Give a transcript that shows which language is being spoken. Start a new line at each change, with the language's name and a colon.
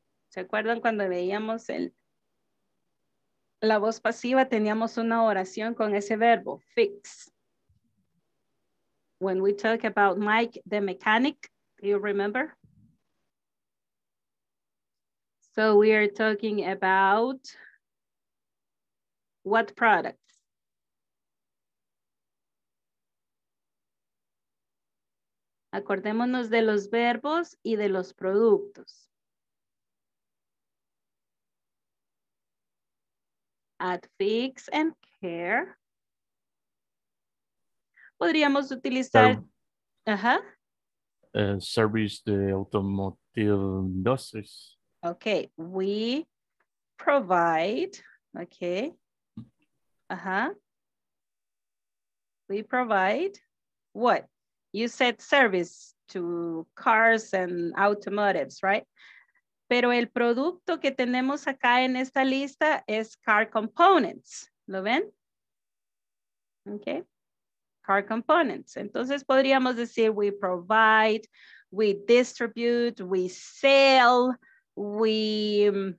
Spanish: ¿Se acuerdan cuando veíamos el la voz pasiva? Teníamos una oración con ese verbo, fix.
English: When we talk about Mike, the mechanic, do you remember? So we are talking about what product?
Spanish: Acordémonos de los verbos y de los productos.
English: At fix and care.
Spanish: Podríamos utilizar
English: service the automotive industries. Okay, we provide, okay. We provide what? You said service to cars and automotives, right?
Spanish: Pero el producto que tenemos acá en esta lista es car components. ¿Lo ven? Okay. Car components. Entonces podríamos decir
English: we provide, we distribute, we sell, we